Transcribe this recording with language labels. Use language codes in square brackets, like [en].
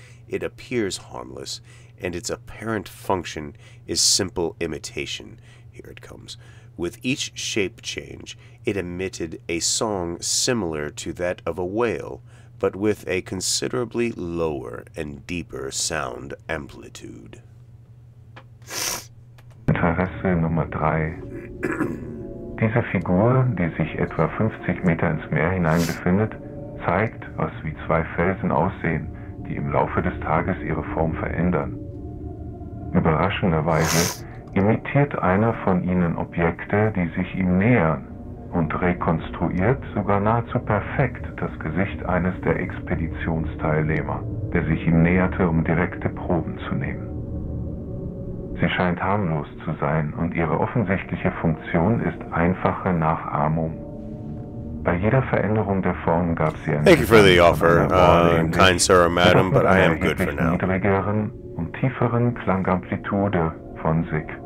[en] It appears harmless, and its apparent function is simple imitation. Here it comes. With each shape change, it emitted a song similar to that of a whale, but with a considerably lower and deeper sound amplitude. [de] Interesse Nummer 3. Diese Figur, die sich etwa 50 Meter ins Meer hinein befindet, zeigt, was wie zwei Felsen aussehen, die im Laufe des Tages ihre Form verändern. Überraschenderweise imitiert einer von ihnen Objekte, die sich ihm nähern, und rekonstruiert sogar nahezu perfekt das Gesicht eines der Expeditionsteilnehmer, der sich ihm näherte, um direkte Proben zu nehmen. Sie scheint harmlos zu sein, und ihre offensichtliche Funktion ist einfache Nachahmung. Bei jeder Veränderung der Form gab sie eine... [en] Thank you for the offer, kind sir or madam, but I am good for now. [de] ...niedrigeren und tieferen Klangamplitude... von sich.